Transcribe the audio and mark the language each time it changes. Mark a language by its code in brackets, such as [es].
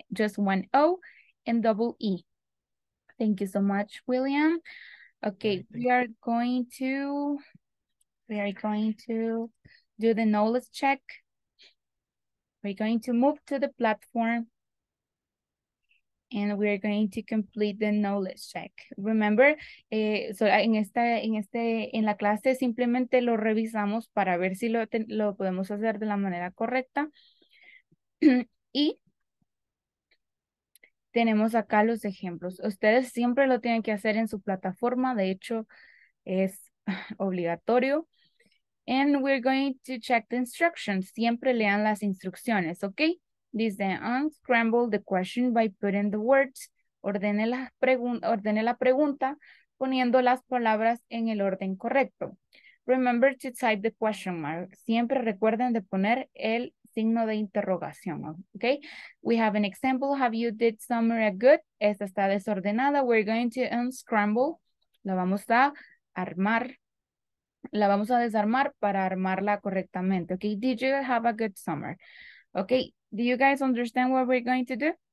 [en] Just one O and double E. Thank you so much, William. Okay, we are going to do the knowledge check. We're going to move to the platform and we're going to complete the knowledge check. [es] Remember, en la clase simplemente lo revisamos para ver si lo podemos hacer de la manera correcta. Y tenemos acá los ejemplos. Ustedes siempre lo tienen que hacer en su plataforma. De hecho, es obligatorio. [en] And we're going to check the instructions. [es] Siempre lean las instrucciones, ¿ok? [en] Dice, unscramble the question by putting the words. [es] Ordene la pregunta poniendo las palabras en el orden correcto. [en] Remember to type the question mark. [es] Siempre recuerden de poner el signo de interrogación, okay? [en] We have an example, have you did summer a good? [es] Esta está desordenada, [en] we're going to unscramble, [es] la vamos a armar, la vamos a desarmar para armarla correctamente, okay? [en] Did you have a good summer? Okay, do you guys understand what we're going to do?